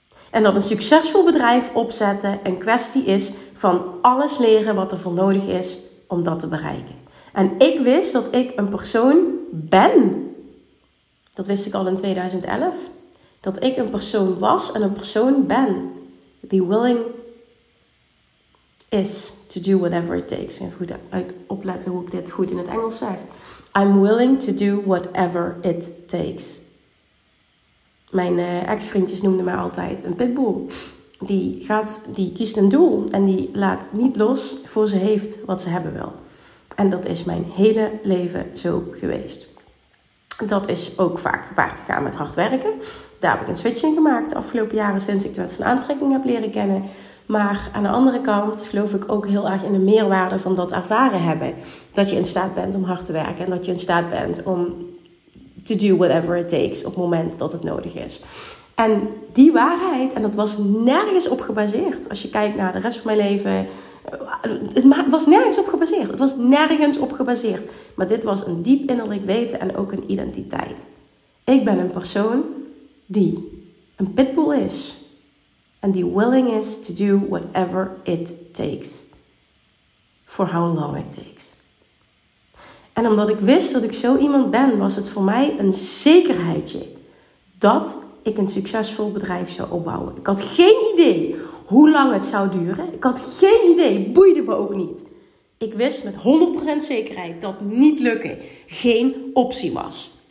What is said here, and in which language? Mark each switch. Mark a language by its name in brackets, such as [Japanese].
[Dutch] En dat een succesvol bedrijf opzetten een kwestie is van alles leren wat er voor nodig is om dat te bereiken. En ik wist dat ik een persoon ben. Dat wist ik al in 2011. Dat ik een persoon was en een persoon ben. Die [English] willing is to do whatever it takes. [Dutch] Goed opletten hoe ik dit goed in het Engels zeg. [English] I'm willing to do whatever it takes. [Dutch] Mijn ex-vriendjes noemden mij altijd een pitbull. Die kiest een doel en die laat niet los voor ze heeft wat ze hebben wil. En dat is mijn hele leven zo geweest. Dat is ook vaak gepaard gegaan met hard werken. Daar heb ik een switch in gemaakt de afgelopen jaren sinds ik de wet van aantrekking heb leren kennen. Maar aan de andere kant geloof ik ook heel erg in de meerwaarde van dat ervaren hebben. Dat je in staat bent om hard te werken en dat je in staat bent om [English] to do whatever it takes [Dutch] op het moment dat het nodig is. En die waarheid, en dat was nergens op gebaseerd. Als je kijkt naar de rest van mijn leven, het was nergens op gebaseerd. Maar dit was een diep innerlijk weten en ook een identiteit. Ik ben een persoon die een pitbull is. En die [English] willing is to do whatever it takes. For how long it takes. [Dutch] En omdat ik wist dat ik zo iemand ben, was het voor mij een zekerheidje dat ik een succesvol bedrijf zou opbouwen. Ik had geen idee hoe lang het zou duren. Ik had geen idee, boeide me ook niet. Ik wist met 100% zekerheid dat niet lukken geen optie was.